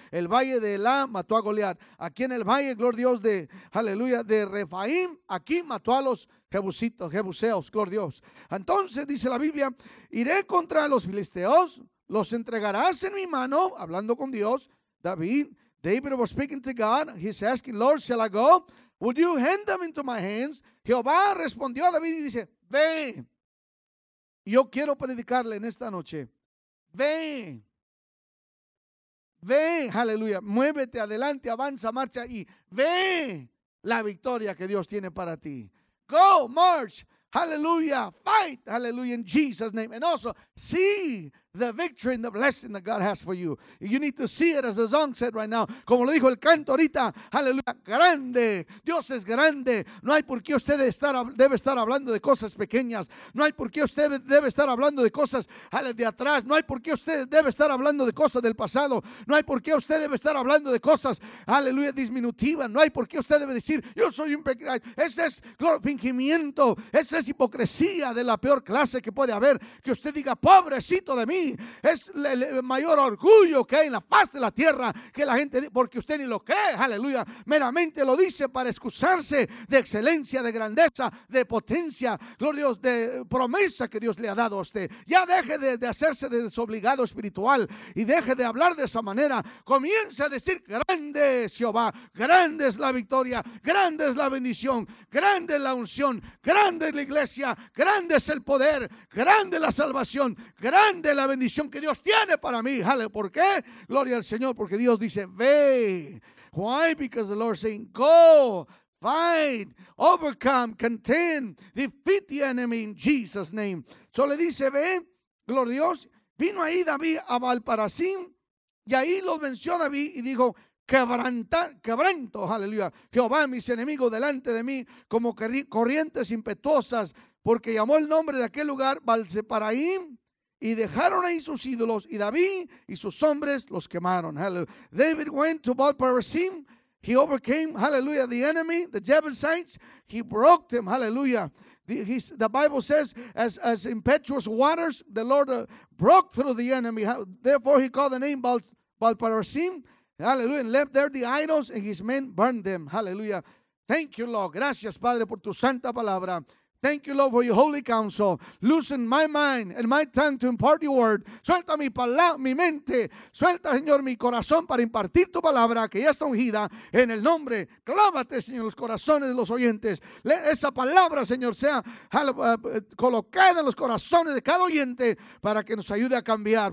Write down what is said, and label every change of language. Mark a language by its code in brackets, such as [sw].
[es] El valle de Elá mató a Goliat. Aquí en el valle, gloria a Dios, de aleluya, de Refaim, aquí mató a los jebusitos, jebuseos, gloria a Dios. Entonces dice la Biblia, iré contra los filisteos, los entregarás en mi mano, hablando con Dios, David. [en] David was speaking to God. He's asking, Lord, shall I go? Would you hand them into my hands? [es] Jehová respondió a David y dice, ve. Yo quiero predicarle en esta noche. Ve. Ve, aleluya. Muévete adelante, avanza, marcha y ve la victoria que Dios tiene para ti. [en] Go, march. Hallelujah, fight, hallelujah, in Jesus' name. And also, see the victory and the blessing that God has for you. You need to see it as the song said right now. [es] Como lo dijo el canto ahorita, hallelujah, grande. Dios es grande. No hay por qué usted debe estar hablando de cosas pequeñas. No hay por qué usted debe estar hablando de cosas de atrás. No hay por qué usted debe estar hablando de cosas del pasado. No hay por qué usted debe estar hablando de cosas, hallelujah, disminutivas. No hay por qué usted debe decir, yo soy un pequeño. Ese es fingimiento. Esa es hipocresía de la peor clase que puede haber. Que usted diga, pobrecito de mí. Es el mayor orgullo que hay en la faz de la tierra. Que la gente, porque usted ni lo cree, aleluya. Meramente lo dice para excusarse de excelencia, de grandeza, de potencia, gloria a Dios, de promesa que Dios le ha dado a usted. Ya deje de hacerse de desobligado espiritual y deje de hablar de esa manera. Comience a decir, grande es Jehová, grande es la victoria, grande es la bendición, grande es la unción, grande es la iglesia, grande es el poder, grande es la salvación, grande de la bendición que Dios tiene para mí. ¿Por qué? Gloria al Señor, porque Dios dice, ve. [en] Why? Because the Lord is saying, go, fight, overcome, contend, defeat the enemy in Jesus' name. [es] So le dice, ve, gloria a Dios. Vino ahí David a Baal-Parasim, y ahí lo venció David y dijo, quebranto, aleluya, Jehová, mis enemigos delante de mí, como corrientes impetuosas, porque llamó el nombre de aquel lugar Baal-Zeparaim. Y dejaron ahí sus ídolos, y David y sus hombres los quemaron. [en] Hallelujah. David went to Baal-Parasim. He overcame, hallelujah, the enemy, the Jebusites. He broke them, hallelujah. The Bible says, as impetuous waters, the Lord broke through the enemy. Therefore, he called the name Baal-Parasim. Hallelujah. And left there the idols, and his men burned them. Hallelujah. Thank you, Lord. [es] Gracias, Padre, por tu santa palabra. [en] Thank you, Lord, for your holy counsel. Loosen my mind and my tongue to impart your word. [es] Suelta mi palabra, mi mente. Suelta, Señor, mi corazón para impartir tu palabra que ya está ungida en el nombre. Clávate, Señor, los corazones de los oyentes. Esa palabra, Señor, sea colocada en los corazones de cada oyente para que nos ayude a cambiar.